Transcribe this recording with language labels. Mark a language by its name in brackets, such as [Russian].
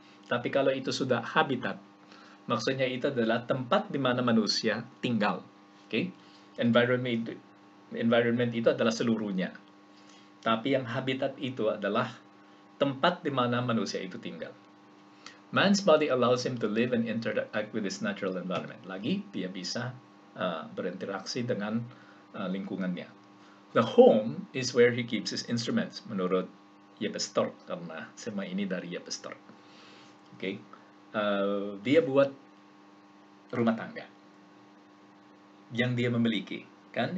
[Indonesian] Tapi kalau itu sudah habitat, maksudnya itu adalah tempat di mana manusia tinggal. Okay? Environment itu adalah seluruhnya. Tapi yang habitat itu adalah tempat di mana manusia itu tinggal. [English] Man's body allows him to live and interact with his natural environment. [Indonesian] Lagi, dia bisa berinteraksi dengan lingkungannya. [English] The home is where he keeps his instruments, [Indonesian] menurut Yep Stork, karena semua ini dari Yep Stork. [English] Okay. [Indonesian] Dia buat rumah tangga yang dia memiliki, kan?